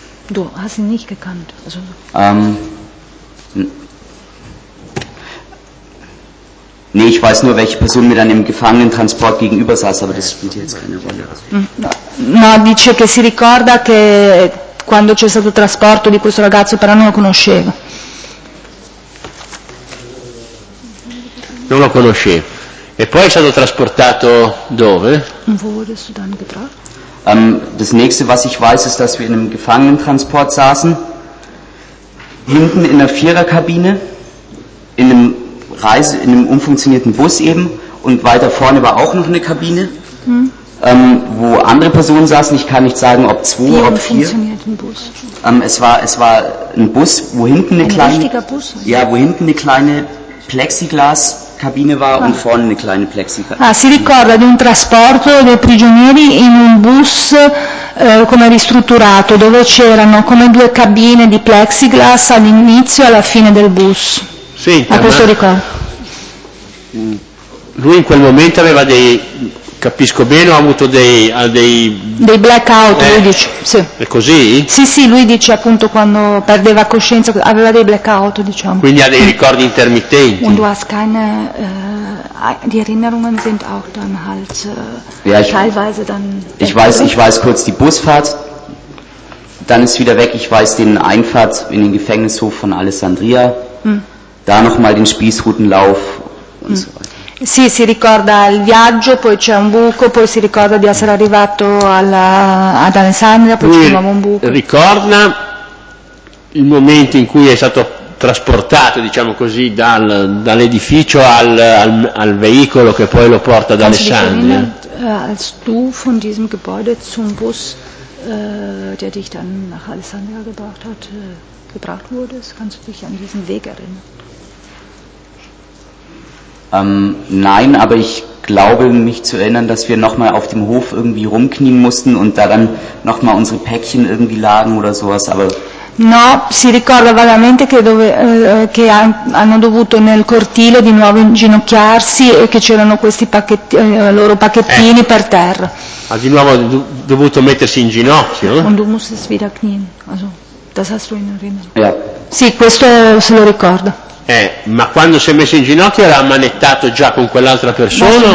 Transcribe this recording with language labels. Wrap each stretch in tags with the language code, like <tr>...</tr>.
<de>Du hast ihn nicht gekannt. Also. Nee, ich weiß nur, welche Person mir dann im Gefangenentransport gegenüber saß, aber das spielt jetzt keine Rolle.</de> <it>No, dice che si ricorda che quando c'è stato il trasporto di questo ragazzo, però non lo conosceva. Non lo conosceva. E poi è stato trasportato dove?</it> <de>Wo wurdest du dann gebracht? Das nächste, was ich weiß, ist, dass wir in einem Gefangenentransport saßen, hinten in der Viererkabine, in einem umfunktionierten Bus eben, und weiter vorne war auch noch eine Kabine, wo andere Personen saßen. Ich kann nicht sagen, ob zwei, wie ob vier. Wie funktioniert ein Bus? Es war ein Bus, wo hinten eine kleine Plexiglas Kabine war und vorne eine kleine Plexiglas.</de> <it>Si ricorda di un trasporto dei prigionieri in un bus come ristrutturato, dove c'erano come due cabine di plexiglass all'inizio e alla fine del bus. Sì, a questo ricordo. Lui in quel momento aveva dei, capisco bene, ha avuto dei blackout, lui dice. Sì. È così? Sì, lui dice appunto quando perdeva coscienza, aveva dei blackout, diciamo. Quindi ha dei ricordi intermittenti.</it> <de>Und du hast keine die Erinnerungen sind auch dann halt teilweise dann. Ich weiß kurz die Busfahrt, dann ist wieder weg. Ich weiß den Einfahrt in den Gefängnishof von Alessandria, da nochmal den Spießrutenlauf und so weiter.</de> <it>Sì, si ricorda il viaggio, poi c'è un buco, poi si ricorda di essere arrivato ad Alessandria, poi c'è nuovo un buco. Ricorda il momento in cui è stato trasportato, diciamo così, dall'edificio al veicolo che poi lo porta ad Alessandria.</it> <de>Als du von diesem Gebäude zum Bus, der dich dann nach Alessandria gebracht hat, gebracht wurdest, kannst du dich an diesen Weg erinnern? Nein, aber ich glaube mich zu erinnern, dass wir nochmal auf dem Hof irgendwie rumknien mussten und da dann nochmal unsere Päckchen irgendwie lagen oder sowas, aber...</de> <it>No, si ricorda vagamente che hanno dovuto nel cortile di nuovo inginocchiarsi e che c'erano questi pacchetti, loro pacchettini per terra. Ha di nuovo dovuto mettersi in ginocchio, no?</it> <de>Und du musstest wieder knien, also, das hast du in Erinnerung. Ja.</de> <it>Sì, questo se lo ricorda. Ma quando si è messo in ginocchio era ammanettato già con quell'altra persona?</it>